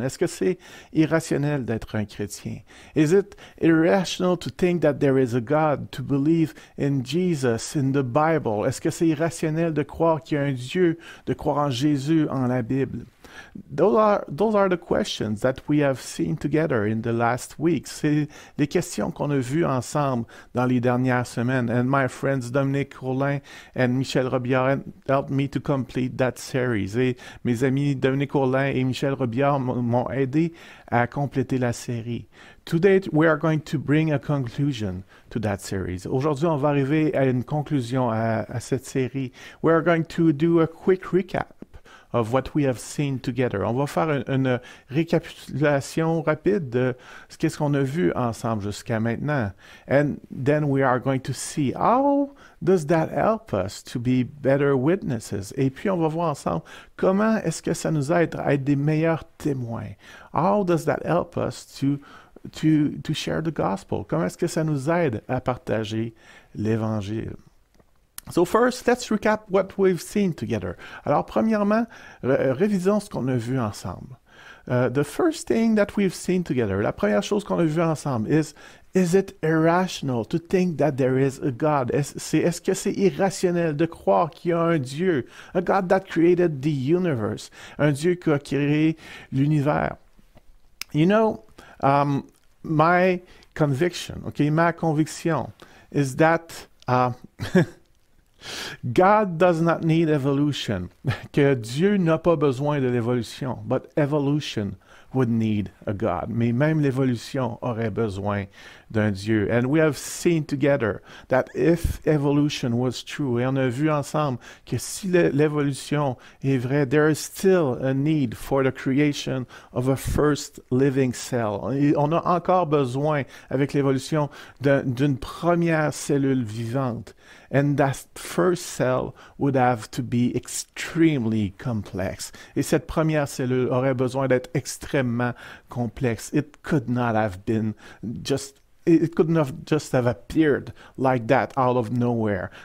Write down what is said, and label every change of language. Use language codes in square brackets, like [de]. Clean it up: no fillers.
[fr] Est-ce que c'est irrationnel d'être un chrétien? [en] Is it irrational to think that there is a God, to believe in Jesus, in the Bible? [fr] Est-ce que c'est irrationnel de croire qu'il y a un Dieu, de croire en Jésus, en la Bible? [en] Those are the questions that we have seen together in the last week. [fr] C'est les questions qu'on a vues ensemble dans les dernières semaines. [en] And my friends Dominique Rollin and Michel Robillard helped me to complete that series. [fr] Et mes amis Dominique Rollin et Michel Robillard m'ont aidé à compléter la série. [en] Today we are going to bring a conclusion to that series. [fr] Aujourd'hui, on va arriver à une conclusion à cette série. [en] We are going to do a quick recap of what we have seen together. [fr] On va faire une récapitulation rapide de ce qu'on a vu ensemble jusqu'à maintenant. [en] And then we are going to see how does that help us to be better witnesses? [fr] Et puis on va voir ensemble comment est-ce que ça nous aide à être des meilleurs témoins. [en] How does that help us to share the gospel? [fr] Comment est-ce que ça nous aide à partager l'évangile? [en] So first, let's recap what we've seen together. [fr] Alors, premièrement, révisons ce qu'on a vu ensemble. [en] The first thing that we've seen together, [fr] la première chose qu'on a vu ensemble [en] is it irrational to think that there is a God? [fr] Est-ce que c'est irrationnel de croire qu'il y a un Dieu? [en] A God that created the universe. [fr] Un Dieu qui a créé l'univers. [en] You know, my conviction, okay, [fr] ma conviction [en] is that... God does not need evolution. [fr] Que Dieu n'a pas besoin de l'évolution. [en] But evolution would need a God. [fr] Mais même l'évolution aurait besoin d'un Dieu. [en] And we have seen together that if evolution was true, [fr] et on a vu ensemble que si l'évolution est vraie, [en] there is still a need for the creation of a first living cell. [fr] On a encore besoin, avec l'évolution, d'une première cellule vivante. [en] And that first cell would have to be extremely complex. [fr] Et cette première cellule aurait besoin d'être extrêmement complexe. [en] It could not have just appeared like that out of nowhere.